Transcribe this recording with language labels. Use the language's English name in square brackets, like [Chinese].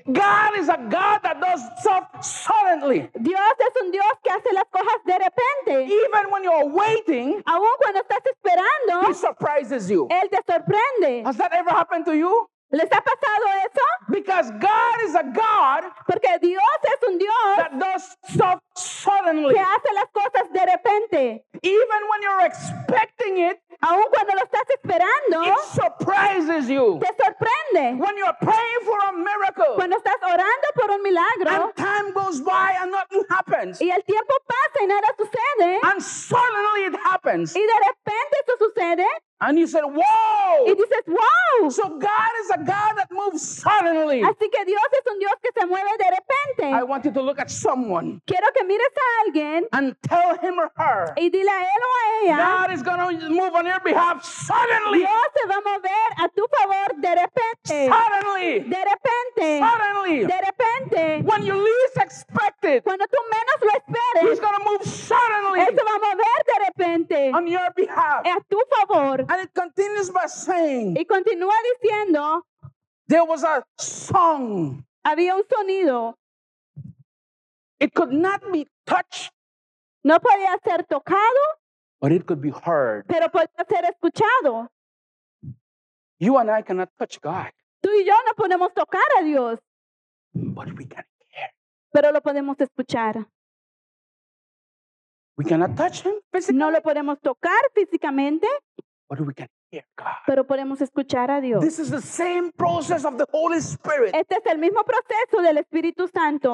[English] God is a God that does stuff suddenly. [Spanish] Dios es un Dios que hace las cosas de repente. [English] Even when you're waiting, [Spanish] aún cuando estás esperando, [English] He surprises you. [Spanish] Él te sorprende. [English] Has that ever happened to you? [Spanish] ¿Les ha pasado eso? [English] Because God is a God, [Spanish] porque Dios es un Dios, [English] that does stuff suddenly, [Spanish] que hace las cosas de repente. [English] Even when you're expecting it, [Spanish] aun cuando lo estás esperando, [English] it surprises you. [Spanish] Te sorprende. [English] When you're praying for a miracle, [Spanish] cuando estás orando por un milagro, [English] and time goes by and nothing happens, [Spanish] y el tiempo pasa y nada sucede, [English] and suddenly it happens, [Spanish] y de repente eso sucede. [English] And you said, "Whoa!" [Spanish] Y dices, "Wow!" [English] So God is a God that moves suddenly. [Spanish] Así que Dios es un Dios que se mueve de repente. [English] I want you to look at someone. [Spanish] Quiero que mires a alguien. [English] And tell him or her. [Spanish] Y dile a él o a ella. [English] God is going to move on your behalf suddenly. [Spanish] Dios se va a mover a tu favor de repente. [English] Suddenly. [Spanish] De repente. [English] Suddenly. [Spanish] De repente. [English] When you least expect it. [Spanish] Cuando tú menos lo esperes. [English] He's going to move suddenly. [Spanish] Él se va a mover de repente. [English] On your behalf. [Spanish] A tu favor. [English] And it continues by saying, [Spanish] y continúa diciendo, [English] there was a song. [Spanish] Había un sonido. [English] It could not be touched. [Spanish] No podía ser tocado. [English] But it could be heard. [Spanish] Pero podía ser escuchado. [English] You and I cannot touch God. [Spanish] Tú y yo no podemos tocar a Dios. [English] But we can hear. [Spanish] Pero lo podemos escuchar. [English] We cannot touch Him physically. [Spanish] No lo podemos tocar físicamente. [English] But we can hear God. [Spanish] Pero podemos escuchar a Dios. [English] This is the same process of the Holy Spirit. [Spanish] Este es el mismo proceso del Espíritu Santo.